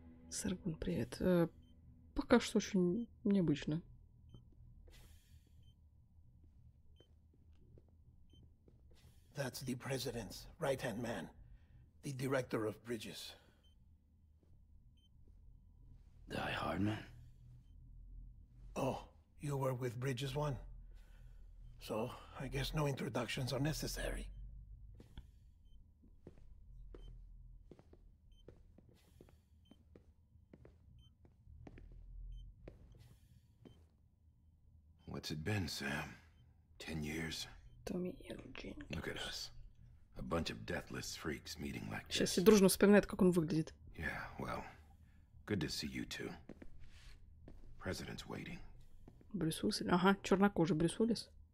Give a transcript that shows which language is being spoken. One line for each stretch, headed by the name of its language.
Russian: Саргун, привет. Пока что очень необычно.
English: That's the president's right-hand man, the director of bridges. Die Hard Man? Oh, you were with Bridges One? So, I guess no introductions are necessary. What's it been, Sam? 10 years? Look at us. A bunch of deathless freaks meeting like this.
Russian: Сейчас все дружно вспоминают, как он выглядит.
English: Yeah, well, good to see you too. President's waiting.
Russian: Брюс Уиллис. Ага, чернокожий Брюс Уиллис.